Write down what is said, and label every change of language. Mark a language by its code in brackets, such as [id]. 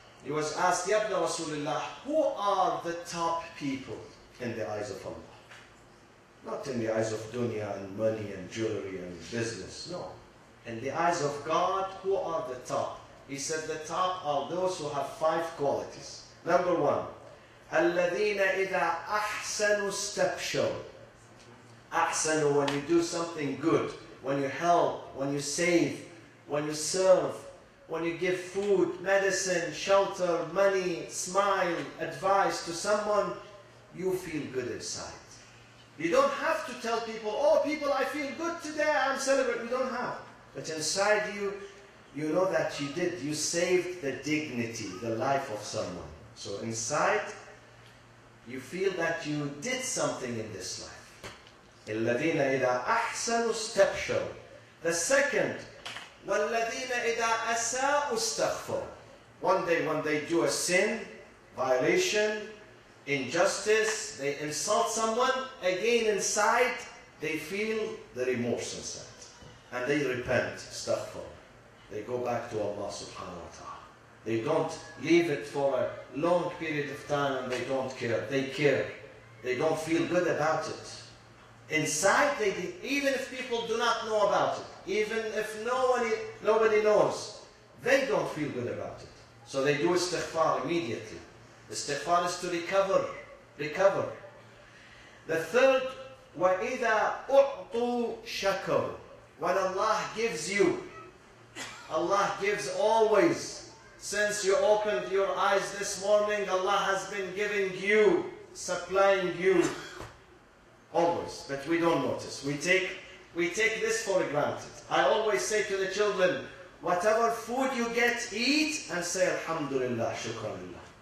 [en] He was asked, [ar] يَا ابْنَ رَسُولِ اللَّهِ, [en] who are the top people in the eyes of Allah? Not in the eyes of dunya and money and jewelry and business, no. In the eyes of God, who are the top? He said, the top are those who have 5 qualities. Number one, [ar] الَّذِينَ إِذَا أَحْسَنُوا اسْتَبْشَرُوا. [en] أَحْسَنُوا, when you do something good, when you help, when you save, when you serve, when you give food, medicine, shelter, money, smile, advice to someone, you feel good inside. You don't have to tell people, oh people, I feel good today, I'm celebrating. You don't have. But inside you, you know that you did. You saved the dignity, the life of someone. So inside, you feel that you did something in this life. [ar] الَّذِينَ إِذَا أَحْسَنُوا اسْتَبْشَرُوا. [en] The second, [ar] وَالَّذِينَ إِذَا أَسَاءُوا اسْتَغْفَرُوا. [en] One day do a sin, violation, injustice, they insult someone, again inside, they feel the remorse inside. And they repent, استغفر. They go back to Allah subhanahu wa ta'ala. They don't leave it for a long period of time and they don't care. They care. They don't feel good about it. Inside, they even if people do not know about it, even if nobody knows, they don't feel good about it. So they do istighfar immediately. Istighfar is to recover. The third, [ar] وَإِذَا أُعْطُوا شَكَرُ. [en] When Allah gives you, Allah gives always. Since you opened your eyes this morning, Allah has been giving you, supplying you, always. But we don't notice. We take this for granted. I always say to the children, whatever food you get, eat and say Alhamdulillah, Shukranillah.